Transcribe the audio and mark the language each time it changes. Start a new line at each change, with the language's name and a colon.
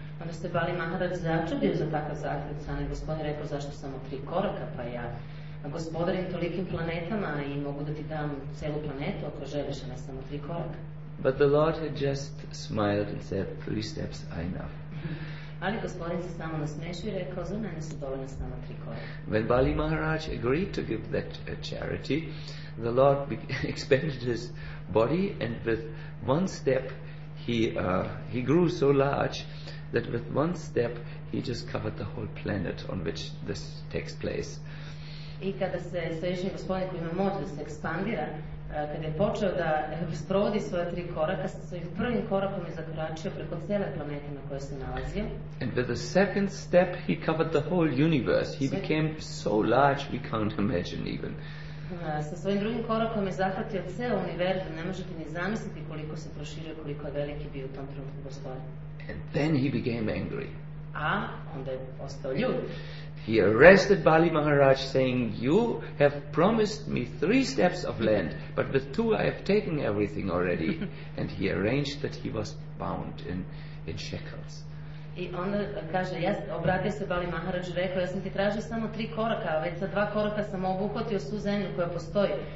Serbian: Onda se Bali Maharaj začudio za takav zahtjev, sami gospodin rekao, zašto samo 3 koraka, pa ja gospodarim tolikim planetama i mogu da ti dam celu planetu ako želiš, a ne samo 3 koraka.
English: But the Lord had just smiled and said, three steps are enough.
Serbian: Ali gospodin se samo nasmešio i rekao, za mene su dovoljno samo tri koraka.
English: When Bali Maharaj agreed to give that charity, the Lord expanded his body and with one step he grew so large that with one step he just covered the whole planet on which this takes place.
Serbian: I kada se svešnji gospodin koji ima moć da se ekspandira, kada je počeo da sprovodi svoje tri koraka, sa svojim prvim korakom je zakoračio preko cele planete na kojoj se nalazio.
English: And with the second step he covered the whole universe. He became so large we can't imagine even.
Serbian: Sa svojim drugim korakom je zahvatio ceo univerzum, ne možete ni zamisliti koliko se proširio, koliko je veliki bio u tom trenutku gospodin.
English: And then he became angry.
Serbian: A onda je postao ljut.
English: He arrested Bali Maharaj saying, you have promised me three steps of land, but with two I have taken everything already. And he arranged that he was bound in shackles.
Serbian: I onda kaže, ja obratio se Bali Maharaj, rekao, ja sam ti tražio samo tri koraka, a već za dva koraka sam obuhvatio svu zemlju koja postoji.